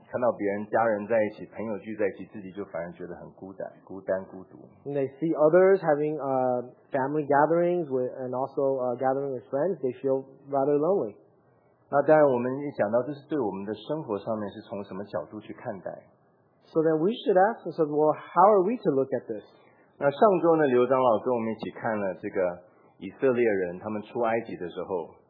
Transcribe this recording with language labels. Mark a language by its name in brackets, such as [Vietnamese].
[Chinese] 看到别人家人在一起，朋友聚在一起，自己就反而觉得很孤单，孤单孤独。 [English] When they see others having family gatherings and also gathering with friends, they feel rather lonely. [Chinese] 那当然，我们一想到这是对我们的生活上面是从什么角度去看待 [English] ？So then we should ask ourselves, well, how are we to look at this? [Chinese] 那上周呢，刘长老跟我们一起看了这个。以色列人他们出埃及的时候